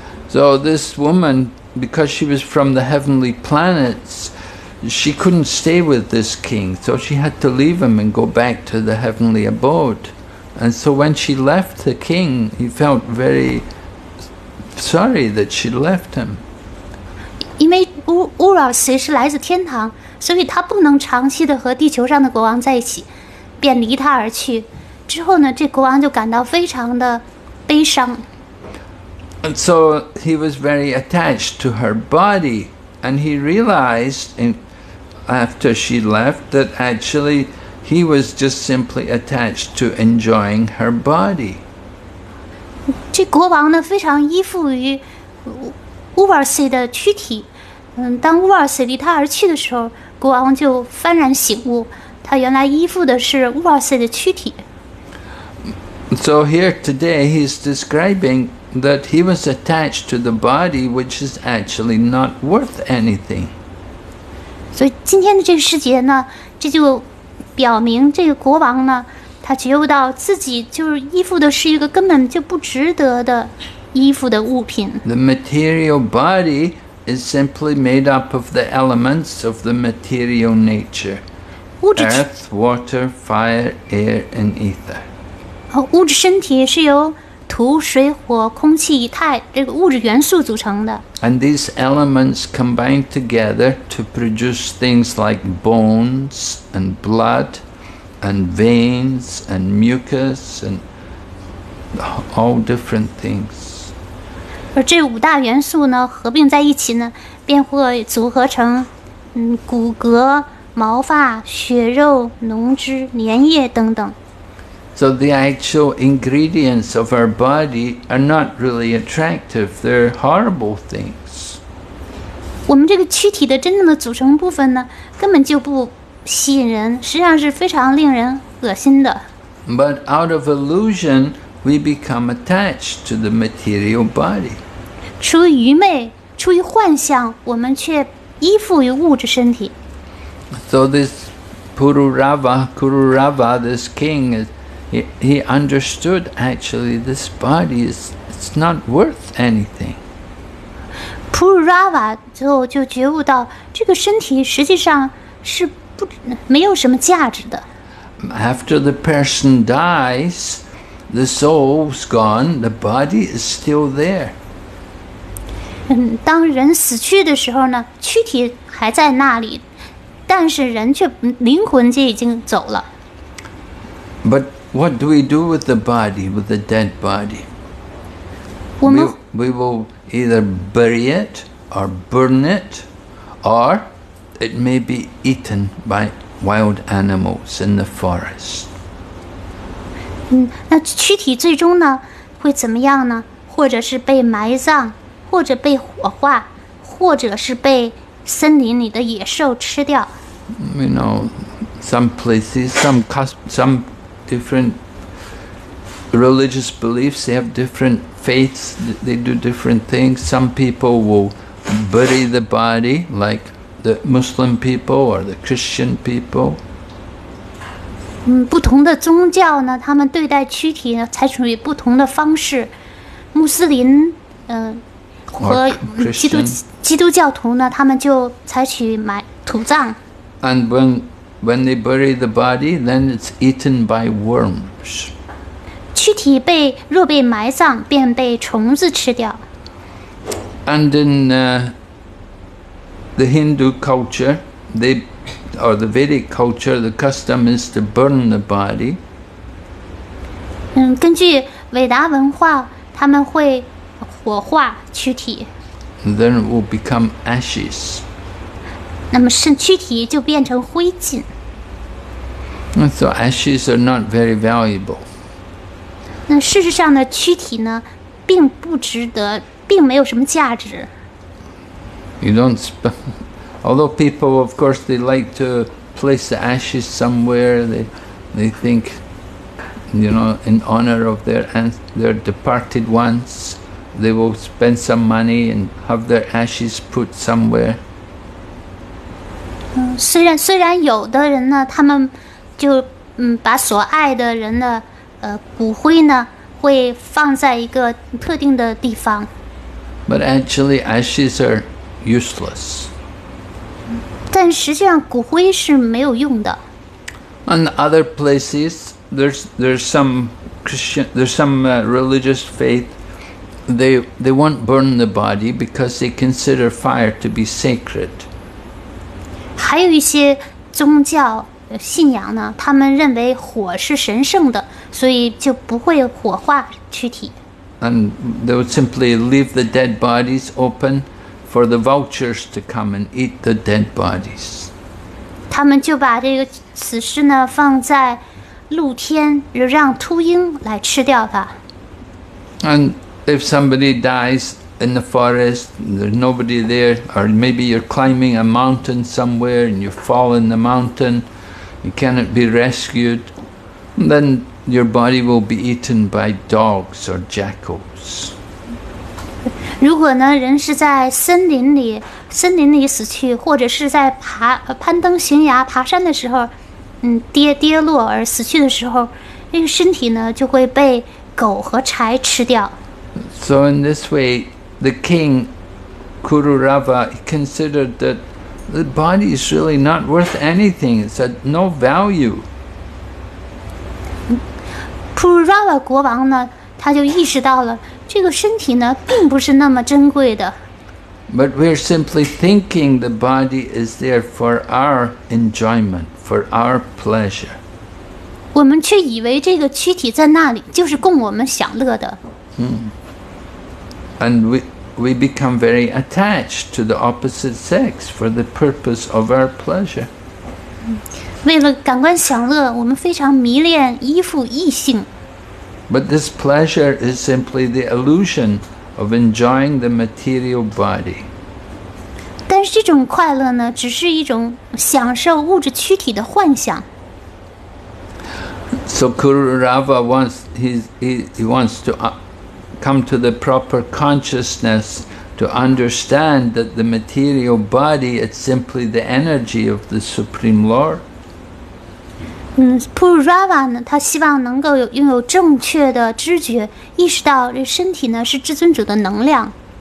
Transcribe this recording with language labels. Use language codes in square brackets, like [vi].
[en] So this woman, because she was from the heavenly planets, she couldn't stay with this king, so she had to leave him and go back to the heavenly abode. And so when she left the king, he felt very sorry that she left him. [zh] 因为 Urvasi 是来自天堂，所以他不能长期的和地球上的国王在一起，便离他而去。之后呢，这国王就感到非常的悲伤。 [en] And so he was very attached to her body, and he realized after she left that actually he was just simply attached to enjoying her body. [zh] 这国王呢非常依附于 Urvasi 的躯体。当 Urvasi 离他而去的时候，国王就幡然醒悟，他原来依附的是 Urvasi 的躯体。 [en] So here today he's describing. That he was attached to the body, which is actually not worth anything. [zh] So, 今天的这个世界呢，这就表明这个国王呢，他觉悟到自己就是依附的是一个根本就不值得的依附的物品。 [en] The material body is simply made up of the elements of the material nature: earth, water, fire, air, and ether. [zh] 物质身体是由土、水、火、空气、以太这个物质元素组成的。 [en] And these elements combine together to produce things like bones and blood and veins and mucus and all different things. [zh] 而这五大元素呢，合并在一起呢，便会组合成骨骼、毛发、血肉、脓汁、粘液等等。 [en] So the actual ingredients of our body are not really attractive. They're horrible things. [zh] 我们这个躯体的真正的组成部分呢，根本就不吸引人，实际上是非常令人恶心的。 [en] But out of illusion, we become attached to the material body. [zh] 出于愚昧，出于幻想，我们却依附于物质身体。 [en] So this Kururava, this king is. He understood actually this body is it's not worth anything. [zh] Pururava 就觉悟到这个身体实际上是不没有什么价值的。 [en] After the person dies, the soul's gone, the body is still there. [zh] 当人死去的时候呢，躯体还在那里，但是人却灵魂就已经走了。 [en] But What do we do with the body, with the dead body? We will either bury it or burn it, or it may be eaten by wild animals in the forest. [zh] 那躯体最终呢，会怎么样呢？或者是被埋葬，或者被火化，或者是被森林里的野兽吃掉。 [en] You know, some places, some different religious beliefs, they have different faiths, they do different things. Some people will bury the body, like the Muslim people or the Christian people. [zh] 不同的宗教呢，他们对待躯体呢，采取不同的方式。穆斯林，和基督教徒呢，他们就采取埋土葬。 [en] And when they bury the body, then it's eaten by worms. [zh] 躯体被若被埋葬，便被虫子吃掉。 [en] And the Hindu culture, the Vedic culture, the custom is to burn the body. [zh] 根据韦达文化，他们会火化躯体。 [en] Then it will become ashes. [zh] 那么是躯体就变成灰烬。 [en] So ashes are not very valuable. [zh] 那事实上呢，躯体呢，并不值得，并没有什么价值。 [en] You don't spend. Although people, of course, they like to place the ashes somewhere. They think, you know, in honor of their departed ones, they will spend some money and have their ashes put somewhere. [zh] 虽然有的人呢，他们就嗯把所爱的人的骨灰呢会放在一个特定的地方。 [en] But actually ashes are useless. [zh] 但实际上骨灰是没有用的。 [en] On other places, there's some religious faith. They won't burn the body because they consider fire to be sacred. [zh] 还有一些宗教信仰呢，他们认为火是神圣的，所以就不会火化躯体。 [en] And they would simply leave the dead bodies open for the vultures to come and eat the dead bodies. [zh] 他们就把这个死尸呢放在露天，让秃鹰来吃掉它。 [en] And if somebody dies in the forest, there's nobody there, or maybe you're climbing a mountain somewhere and you fall in the mountain, you cannot be rescued, then your body will be eaten by dogs or jackals. [zh] 如果呢，人是在森林里死去，或者是在攀登悬崖、爬山的时候，跌落而死去的时候，那个身体呢就会被狗和豺吃掉。 [en] So in this way, the king Kururava considered that the body is really not worth anything. It's at no value. [zh] Kururava 国王呢，他就意识到了。这个身体呢，并不是那么珍贵的。 [en] But we're simply thinking the body is there for our enjoyment, for our pleasure. [zh] 我们却以为这个躯体在那里就是供我们享乐的。 [en] And we become very attached to the opposite sex for the purpose of our pleasure. [zh] 为了感官享乐，我们非常迷恋依附异性。 [en] But this pleasure is simply the illusion of enjoying the material body. [zh] 但是这种快乐呢，只是一种享受物质躯体的幻想。 [en] So Kururava wants to come to the proper consciousness to understand that the material body is simply the energy of the Supreme Lord. [zh] Pururava 呢，他希望能够拥有正确的知觉，意识到这身体呢是至尊主的能量。